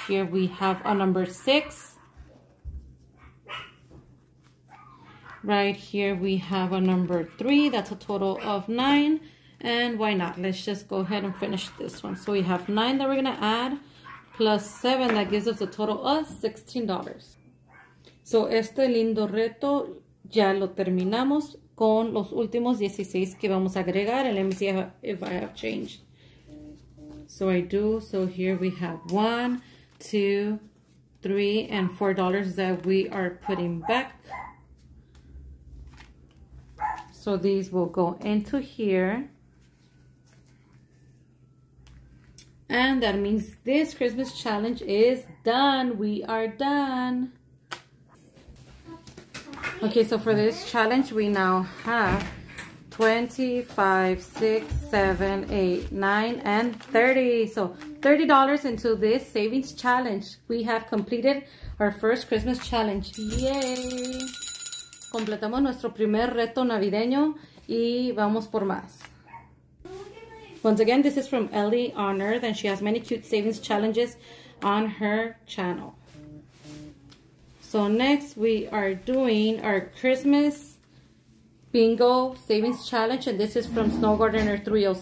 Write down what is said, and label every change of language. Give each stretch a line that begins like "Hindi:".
English: Here we have a number 6. Right here we have a number 3. That's a total of 9. And why not? Let's just go ahead and finish this one. So we have 9 that we're going to add plus 7. That gives us a total of $16.
Spanish: So este lindo reto ya lo terminamos con los últimos 16 que vamos a agregar.
English: And let me see if I have changed. So I do. So here we have 1, 2, 3, and $4 that we are putting back. So these will go into here. And that means this Christmas challenge is done. We are done. Okay, so for this challenge, we now have 25, 6, 7, 8, 9, and 30. So $30 into this savings challenge. We have completed our first Christmas challenge. Yay!
Spanish: Completamos nuestro primer reto navideño y vamos por más.
English: Once again, this is from Ellie on Earth, and she has many cute savings challenges on her channel. So next, we are doing our Christmas bingo savings challenge, and this is from SnowGardener307.